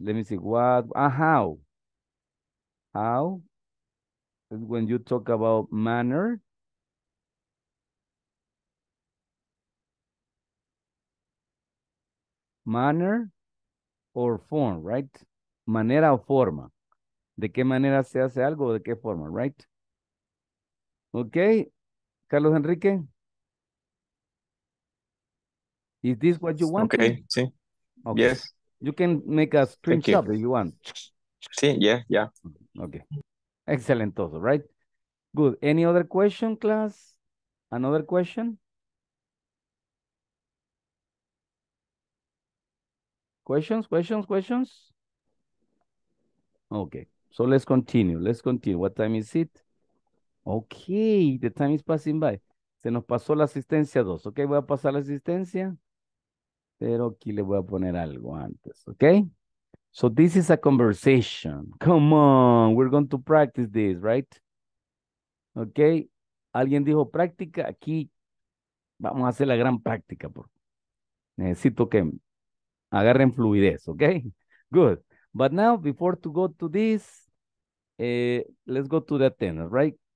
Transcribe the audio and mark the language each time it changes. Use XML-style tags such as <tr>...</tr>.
<en>Let me see, what, how? How? When you talk about manner, manner or form, right?</en> <es>Manera o forma. De qué manera se hace algo o de qué forma, right?</es> <en>Okay, Carlos Enrique. Is this what you want?</en> <es>Okay, sí.</es> <en>Okay. Yes. You can make a screenshot if you want. Sí, yeah, yeah. Okay. Excellent, also, right? Good. Any other question, class? Another question? Questions, questions, questions? Okay. So let's continue. Let's continue. What time is it? Okay. The time is passing by.</en> <es>Se nos pasó la asistencia 2. Okay, voy a pasar la asistencia. Pero aquí le voy a poner algo antes, okay?</es> <en>So this is a conversation. Come on, we're going to practice this, right?</en> <es>Okay, alguien dijo práctica, aquí vamos a hacer la gran práctica. Necesito que agarren fluidez, okay? Good.</es> <en>But now, before to go to this, let's go to the attendance, right?</en>